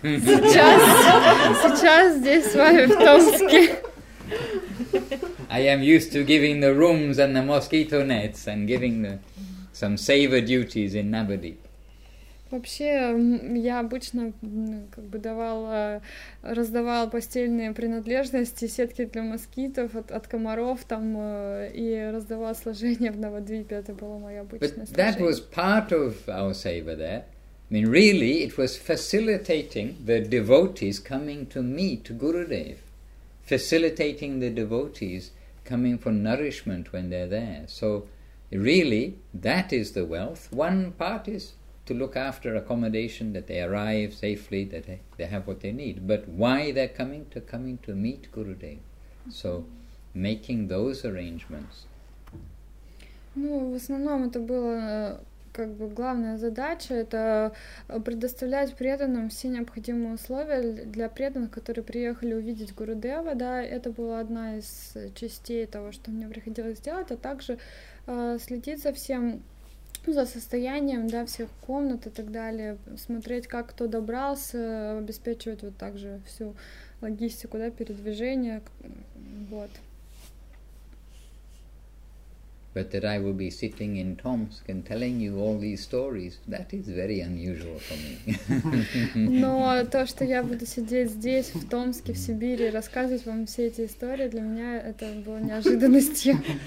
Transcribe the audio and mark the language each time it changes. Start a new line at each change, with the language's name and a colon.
Russian: Сейчас здесь с вами в Томске.
English: I am used to giving the rooms and the mosquito nets and giving the some saver duties in Navadvip.
Russian: Вообще, я обычно как бы раздавала постельные принадлежности, сетки для москитов от комаров там и раздавала служение в Навадвипе. Это было моё обычное служение.
English: But that was part of our seva there. I mean, really, it was facilitating the devotees coming to meet Gurudev, facilitating the devotees coming for nourishment when they're there. So, really, that is the wealth. One part is to look after accommodation, that they arrive safely, that they have what they need. But why they're coming to meet Gurudev. So, making those arrangements.
Russian: Ну, в основном это было как бы главная задача, это предоставлять преданным все необходимые условия для преданных, которые приехали увидеть Гурудева, да, это была одна из частей того, что мне приходилось сделать, а также следить за всем, за состоянием, да, всех комнат и так далее, смотреть, как кто добрался, обеспечивать вот так же всю логистику, да, передвижение, вот.
English: But that I will be sitting in Tomsk and telling you all these stories, that is very unusual for me.
Russian: Но то, что я буду сидеть здесь, в Томске, в Сибири, рассказывать вам все эти истории, для меня это было неожиданностью.